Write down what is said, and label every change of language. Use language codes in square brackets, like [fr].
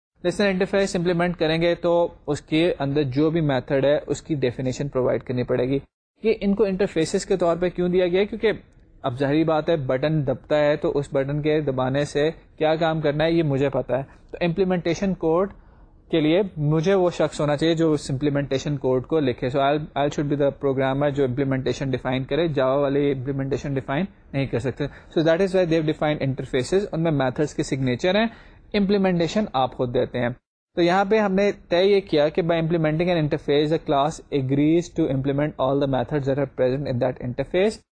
[ur] Listener interface implement کریں گے تو اس کے اندر جو بھی میتھڈ ہے اس کی ڈیفینیشن پرووائڈ کرنی پڑے گی. یہ ان کو انٹرفیسز کے طور پہ کیوں دیا گیا, کیونکہ اب ظاہری بات ہے بٹن دبتا ہے تو اس بٹن کے دبانے سے کیا کام کرنا ہے یہ مجھے پتا ہے. تو امپلیمنٹیشن کوڈ کے لیے مجھے وہ شخص ہونا چاہیے جو اس امپلیمنٹیشن کوڈ کو لکھے. [en] so I should be the programmer [ur] جو امپلیمنٹیشن ڈیفائن کرے. جاوا والے امپلیمنٹیشن ڈیفائن نہیں کر سکتے. [en] So that is why they define interfaces. [ur] ان میں میتھڈس کے سگنیچر ہیں, امپلیمنٹیشن آپ خود دیتے ہیں. تو یہاں پہ ہم نے طے یہ کیا کہ [en] By implementing an interface the class agrees to implement all the methods that are present in that interface.